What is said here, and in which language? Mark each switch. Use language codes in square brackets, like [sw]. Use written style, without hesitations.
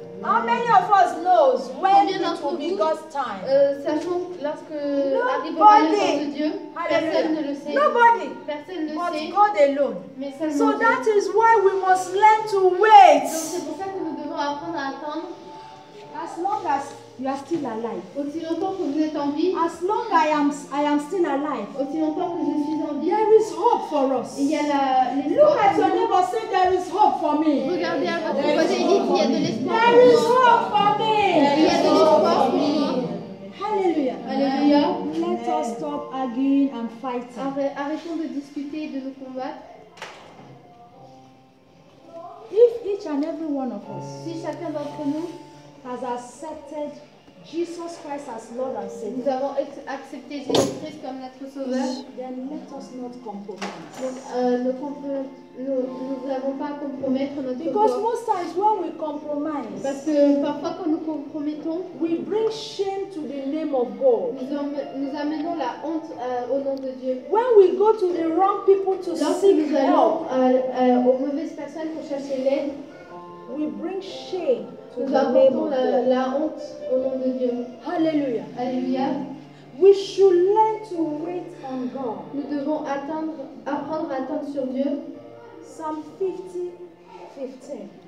[en] How many of us knows when it will be God's time? [fr] Sachant lorsque arrive le temps de Dieu, personne ne le sait. [en] Nobody. [fr] Personne ne [en] but [fr] sait. [en] God alone. [fr] Mais seulement [en] so That is why we must learn to wait. [fr] Donc c'est pour ça que nous devons apprendre à attendre. [en] As long as you are still alive. [fr] Aussi longtemps que vous êtes en vie. [en] As long as I am still alive. [fr] Aussi longtemps que je suis en vie. [en] There is hope for us. [fr] Il y a [en] look at your neighbor, say there is hope for me. [fr] Regardez à votre voisin et dites il y a de l'espoir. [en] There is hope for me. [fr] Il y a de l'espoir pour moi. [en] Hallelujah. Hallelujah. Let us stop arguing and fighting. [fr] Arrêtons de discuter et de nous combattre. [en] If each and every one of us. [fr] Si chacun d'entre nous. [en] Has accepted Jesus Christ as Lord and Savior. [fr] Nous avons accepté Jésus-Christ comme notre Sauveur. [en] Then let us not compromise. [fr] Nous n'avons pas à compromettre notre. [en] Because most times when we compromise, [fr] parce que parfois quand nous compromettons, [en] we bring shame to the name of God. [fr] Nous amenons la honte au nom de Dieu. [en] When we go to the wrong people to seek help, [fr] aux mauvaises personnes pour chercher l'aide, [en] we bring shame. [fr] Nous apportons la honte au nom de Dieu. Alléluia. Alléluia. [en] We should learn to wait on God. [fr] Nous devons apprendre à attendre sur Dieu. [en] Psalm 50:15.